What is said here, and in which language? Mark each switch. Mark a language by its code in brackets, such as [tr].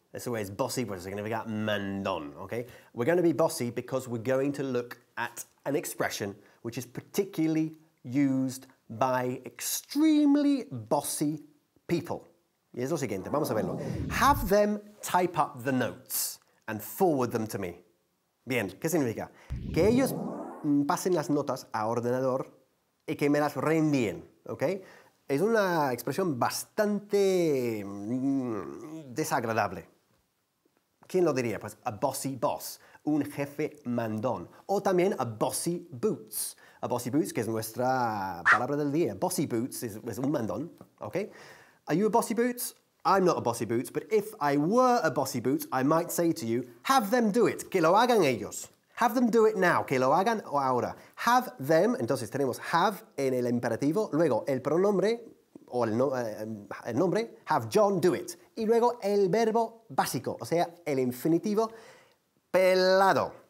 [en] This way is bossy, but it's going to be got mandón, okay? We're going to be bossy because we're going to look at an expression which is particularly used by extremely bossy people. [es] Y es lo siguiente, vamos a verlo. [en] Have them type up the notes and forward them to me. [es] Bien, ¿qué significa? Que ellos pasen las notas a ordenador y que me las reenvíen, ¿ok? Es una expresión bastante desagradable. ¿Quién lo diría? Pues [en] a bossy boss, [es] un jefe mandón. O también [en] a bossy boots. A bossy boots, [es] que es nuestra palabra del día. [en] Bossy boots [es] es un mandón, [en] ¿ok? Are you a bossy boots? I'm not a bossy boots, but if I were a bossy boots, I might say to you, have them do it, [es] que lo hagan ellos. [en] Have them do it now, [es] que lo hagan ahora. Have them, entonces tenemos have en el imperativo, luego el pronombre, o el nombre, [en] have John do it. [es] Y luego el verbo básico, o sea, el infinitivo, pelado.